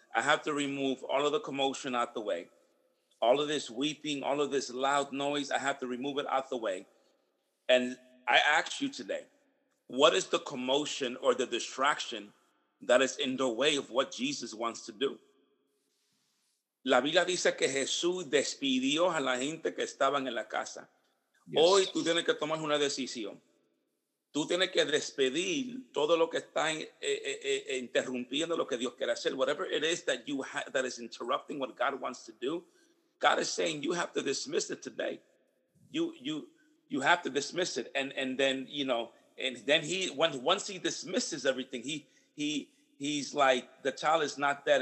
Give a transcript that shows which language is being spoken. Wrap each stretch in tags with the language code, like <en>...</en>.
<en>I have to remove all of the commotion out the way. All of this weeping, all of this loud noise, I have to remove it out the way. And I ask you today, what is the commotion or the distraction that is in the way of what Jesus wants to do?</en> <es>La Biblia dice que Jesús despidió a la gente que estaban en la casa.</es> <en>Yes.</en> <es>Hoy tú tienes que tomar una decisión. Tú tienes que despedir todo lo que está interrumpiendo lo que Dios quiere hacer.</es> <en>Whatever it is that you have that is interrupting what God wants to do, God is saying you have to dismiss it today. You have to dismiss it. And then once he dismisses everything, he's like, the child is not dead.</en>